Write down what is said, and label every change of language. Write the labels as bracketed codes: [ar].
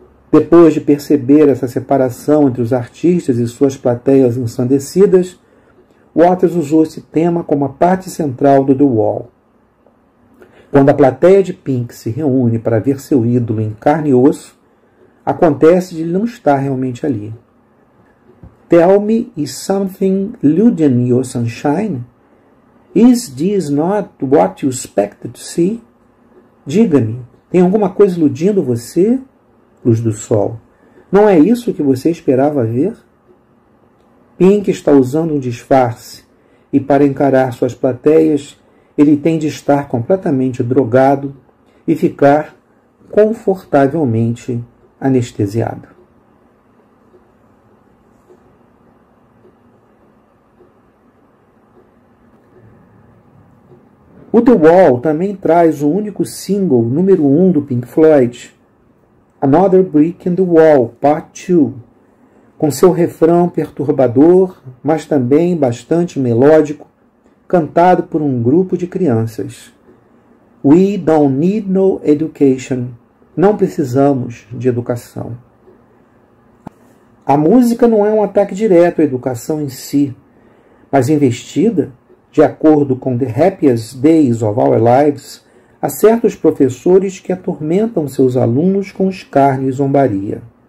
[pt] Depois de perceber essa separação entre os artistas e suas plateias ensandecidas, Waters usou esse tema como a parte central do The Wall. Quando a plateia de Pink se reúne para ver seu ídolo em carne e osso, acontece de ele não estar realmente ali. [en] Tell me is something luding your sunshine? Is this not what you expected to see? [pt] Diga-me, tem alguma coisa iludindo você? Luz do sol. Não é isso que você esperava ver? Pink está usando um disfarce e para encarar suas plateias, ele tem de estar completamente drogado e ficar confortavelmente anestesiado. O The Wall também traz o único single número 1 do Pink Floyd, Another Brick in the Wall, Part 2, com seu refrão perturbador, mas também bastante melódico, cantado por um grupo de crianças. [en] We don't need no education. [pt] Não precisamos de educação. A música não é um ataque direto à educação em si, mas investida, de acordo com The Happiest Days of Our Lives, há certos professores que atormentam seus alunos com escárnio e zombaria.